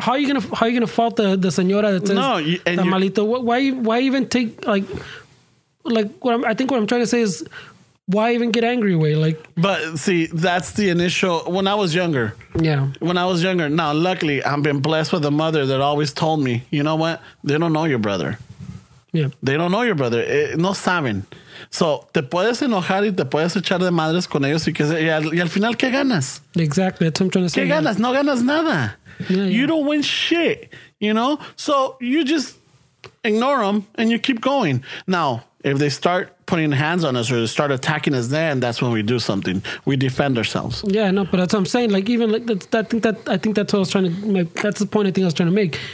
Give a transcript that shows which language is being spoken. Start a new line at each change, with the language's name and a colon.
English: how are you going to fault the señora that says,
Spanish: no, and that malito,
English: why even take like what I'm trying to say is, why even get angry, way? Like, but see, that's the initial. When I was younger, Now, luckily, I've been blessed with a mother that always told me, you know what? They don't know your brother. Yeah. They don't know your brother.
Spanish: No saben. So, te puedes enojar y te puedes echar de madres con ellos y que y al final, ¿qué ganas?
English: Exactly. That's what I'm trying to say.
Spanish: ¿Qué ganas? No ganas nada.
English: Yeah, yeah. You don't win shit, you know? So, you just ignore them and you keep going. Now, if they start putting hands on us or they start attacking us, then that's when we do something. We defend ourselves. Yeah, no, but that's what I'm saying. Like, even like that, I think that's what I was trying to make. That's the point I think I was trying to make.